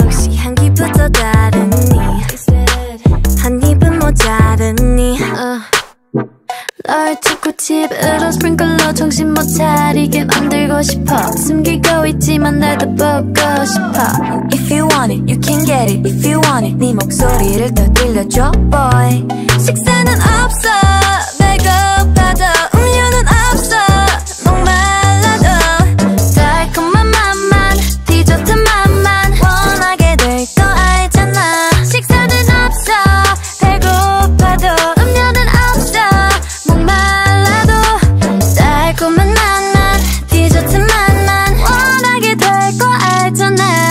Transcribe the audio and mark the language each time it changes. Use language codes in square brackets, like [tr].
[ko] 역시 향기부터 다르니 한 입은 모자르니. 널 초코칩으로 스프링클로 정신 못 차리게 만들고 싶어. 숨기고 있지만 날 더 보고 싶어. [en] If you want it, you can get it. If you want it, [ko] 네 목소리를 더 들려줘, [en] boy. [ko] 식사는 없어, 배고파도 음료는 없어, 목말라도 달콤한 맛만, 디저트 맛만 원하게 될 거 알잖아. 식사는 없어, 배고파도 음료는 없어, 목말라도 달콤한 맛만, 디저트 맛만 원하게 될 거 알잖아.